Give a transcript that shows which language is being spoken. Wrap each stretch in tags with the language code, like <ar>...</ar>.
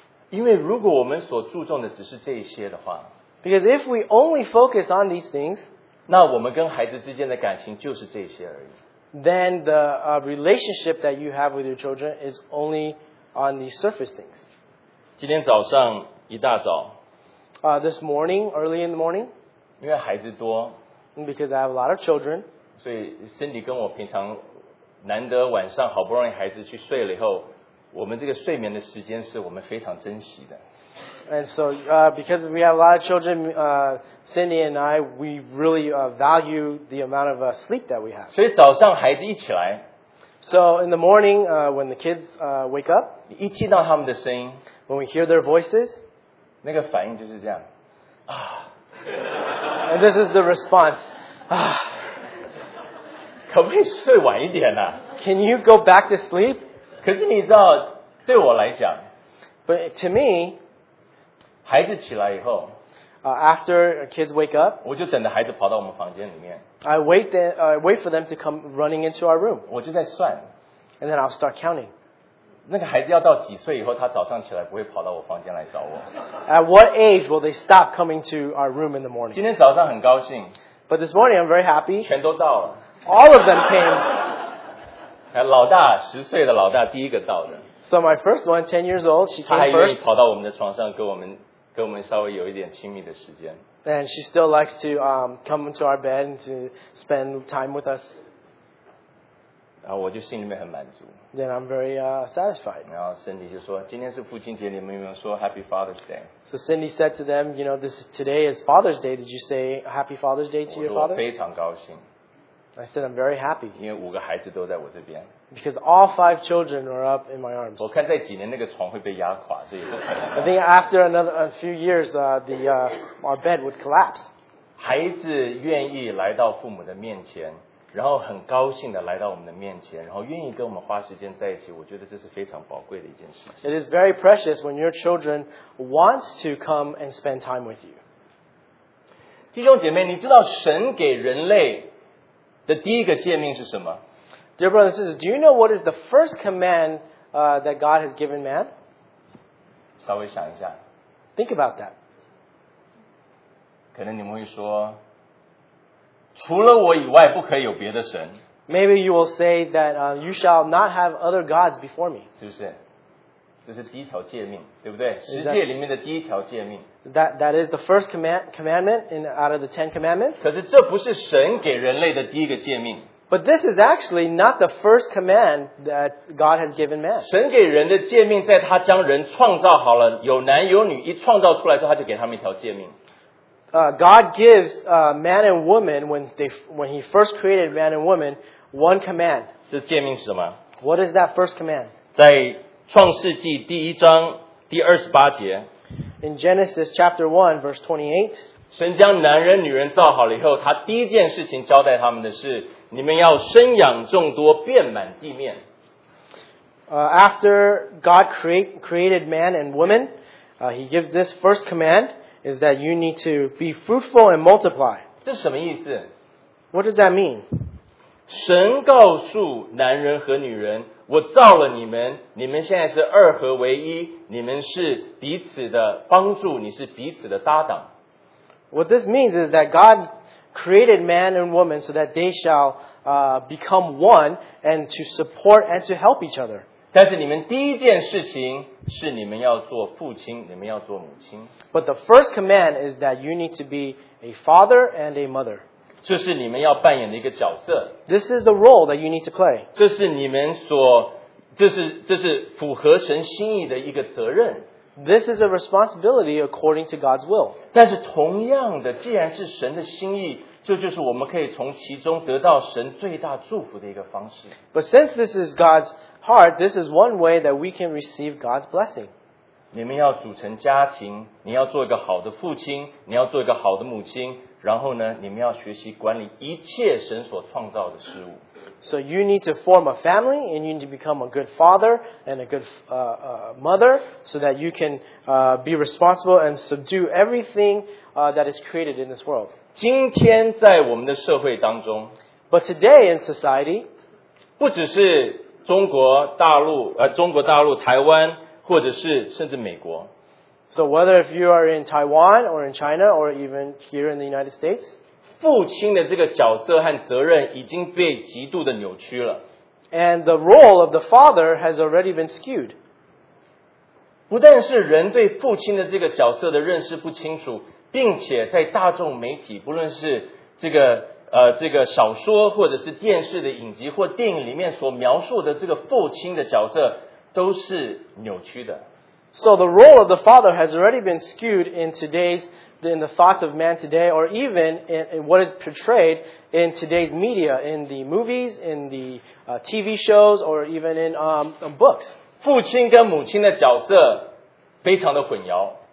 <zh>因为如果我们所注重的只是这一些的话,</zh> <en>because if we only focus on these things,</en> <zh>那我们跟孩子之间的感情就是这些而已,</zh> <en>then the relationship that you have with your children is only on these surface things.</en> <zh>今天早上一大早,</zh> <en>this morning, early in the morning,</en> <zh>因为孩子多,</zh> <en>because I have a lot of children,</en> <zh>所以Cindy跟我平常难得晚上好不容易孩子去睡了以后, 我们这个睡眠的时间是我们非常珍惜的。</zh> <en>And so, because we have a lot of children, Cindy and I, we really value the amount of sleep that we have.</en> <zh>所以早上孩子一起来,</zh> <en>so in the morning, when the kids wake up,</en> <zh>一听到他们的声音,</zh> <en>when we hear their voices,</en> <zh>那个反应就是这样,</zh> <en>and this is the response,</en> <zh>可不可以睡晚一点啊?</zh> <en>Can you go back to sleep?</en> <zh>可是你知道, 对我来讲,</zh> <en>but to me,</en> <zh>孩子起来以后,</zh> <en>after kids wake up,</en> <zh>我就等着孩子跑到我们房间里面,</zh> <en>I wait for them to come running into our room.</en> <zh>我就在算,</zh> <en>and then I'll start counting.</en> <zh>那个孩子要到几岁以后他早上起来不会跑到我房间来找我。</zh> <en>At what age will they stop coming to our room in the morning?</en> <zh>今天早上很高兴,</zh> <en>but this morning I'm very happy.</en> <zh>全都到了,</zh> <en>all of them came.</en> <zh>老大, 10岁的老大, 第一个到的。</zh> <en>So my first one, 10 years old, she came first.</en> <zh>她还愿意跑到我们的床上跟我们稍微有一点亲密的时间。</zh> <en>And she still likes to come into our bed and to spend time with us.</en> <zh>然后我就心里面很满足。</zh> <en>Then I'm very satisfied.</en> <zh>然后Cindy就说, 今天是父亲节, 你们有没有说</zh> <en>Happy Father's Day? So Cindy said to them, you know, today is Father's Day. Did you say Happy Father's Day to your father?</en> <zh>我非常高兴。</zh> <en>I said, I'm very happy.</en> <zh>因为五个孩子都在我这边。</zh> <en>Because all five children are up in my arms.</en> <zh>我看在几年那个床会被压垮,</zh> <en>I think after another few years, our bed would collapse.</en> <zh>孩子愿意来到父母的面前, 然后很高兴地来到我们的面前, 然后愿意跟我们花时间在一起, 我觉得这是非常宝贵的一件事情。</zh> <en>It is very precious when your children want to come and spend time with you.</en> <zh>弟兄姐妹, 你知道神给人类 的第一个诫命是什么?</zh> <en>Dear brothers and sisters, do you know what is the first command that God has given man?</en> <zh>稍微想一下,</zh> <en>think about that.</en> <zh>可能你们会说, 除了我以外不可以有别的神。</zh> <en>Maybe you will say that you shall not have other gods before me.</en> <zh>是不是？这是第一条诫命，对不对？十诫里面的第一条诫命。</zh> <en>That is the first commandment in out of the Ten Commandments.</en> <zh>可是这不是神给人类的第一个诫命。</zh> <en>But this is actually not the first command that God has given man.</en> <zh>神给人的诫命，在他将人创造好了，有男有女，一创造出来之后，他就给他们一条诫命。</zh> <en>God gives man and woman when he first created man and woman one command.</en> <zh>这诫命是什么？</zh> <en>What is that first command?</en> <zh>在创世纪第一章第二十八节。</zh> <en>In Genesis chapter 1 verse 28.</en> <zh>神将男人女人造好了以后，他第一件事情交代他们的是，你们要生养众多，遍满地面。 After God created man and woman, he gives this first command.</zh> <en>Is that you need to be fruitful and multiply.</en> <zh>这什么意思？</zh> <en>What does that mean?</en> <zh>神告诉男人和女人，我造了你们，你们现在是二合为一，你们是彼此的帮助，你是彼此的搭档。</zh> <en>What this means is that God created man and woman so that they shall become one and to support and to help each other.</en> <zh>但是你们第一件事情是你们要做父亲，你们要做母亲。</zh> <en>But the first command is that you need to be a father and a mother.</en> <zh>这是你们要扮演的一个角色。</zh> <en>This is the role that you need to play.</en> <zh>这是你们所，这是符合神心意的一个责任。</zh> <en>This is a responsibility according to God's will.</en> <zh>但是同样的，既然是神的心意，就是我们可以从其中得到神最大祝福的一个方式。</zh> <en>But since this is God's heart, this is one way that we can receive God's blessing.</en> <zh>你们要组成家庭，你要做一个好的父亲，你要做一个好的母亲，然后呢，你们要学习管理一切神所创造的事物。</zh> <en>So you need to form a family, and you need to become a good father and a good mother, so that you can be responsible and subdue everything that is created in this world.</en> <zh>今天在我们的社会当中</zh> <en>，But today in society,</en> <zh>不只是中国大陆，中国大陆、台湾。或者是甚至美国。</zh> <en>So whether if you are in Taiwan or in China or even here in the United States,</en> <zh>父亲的这个角色和责任已经被极度的扭曲了。</zh> <en>And the role of the father has already been skewed.</en> <zh>不但是人对父亲的这个角色的认识不清楚，并且在大众媒体，不论是这个小说或者是电视的影集或电影里面所描述的这个父亲的角色都是扭曲的。</zh> <en>So the role of the father has already been skewed in today's, in the thoughts of man today, or even in what is portrayed in today's media, in the movies, in the TV shows, or even in books.</en> <zh>父亲跟母亲的角色非常的混淆。</zh>